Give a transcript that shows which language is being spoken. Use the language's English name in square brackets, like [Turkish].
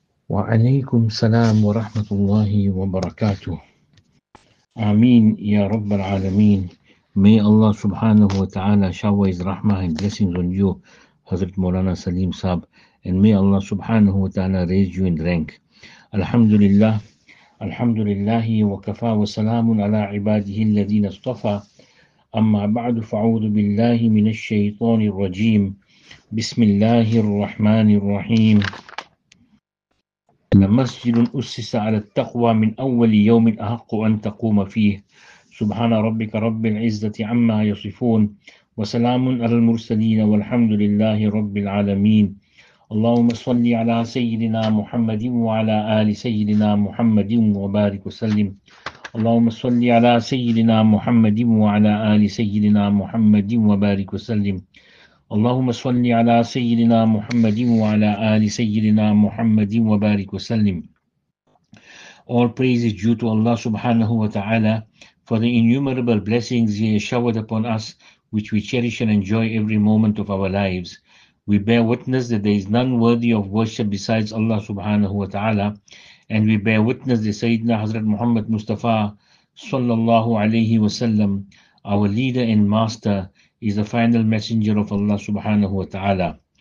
[Arabic] وعليكم السلام ورحمة الله وبركاته. آمين يا رب العالمين. [English] May Allah subhanahu wa ta'ala shower his rahmah and blessings on you, Hazrat Maulana Salim Saab, and may Allah subhanahu wa ta'ala raise you in rank. [Arabic] Alhamdulillah, alhamdulillah, wa kafa wa salamun ala ibadihi alladhina astafa. Amma ba'du fa'udhu billahi min ash-shaytani rajim. Bismillahir Rahmanir Rahim. مسجد أسس على التقوى من أول يوم أحق أن تقوم فيه. سبحان ربك رب العزة عما يصفون وسلام على المرسلين والحمد لله رب العالمين. اللهم صل على سيدنا محمد وعلى آل سيدنا محمد وبارك وسلم. اللهم صل على سيدنا محمد وعلى آل سيدنا محمد وبارك وسلم. اللهم صل على سيدنا محمد وعلى آل سيدنا محمد وبارك وسلم. [English] All praise is due to Allah subhanahu wa ta'ala for the innumerable blessings He has showered upon us, which we cherish and enjoy every moment of our lives. We bear witness that there is none worthy of worship besides Allah subhanahu wa ta'ala, and we bear witness that Sayyidina Hazrat Muhammad Mustafa sallallahu alayhi wa sallam, our leader and master, is the final messenger of Allah subhanahu wa ta'ala.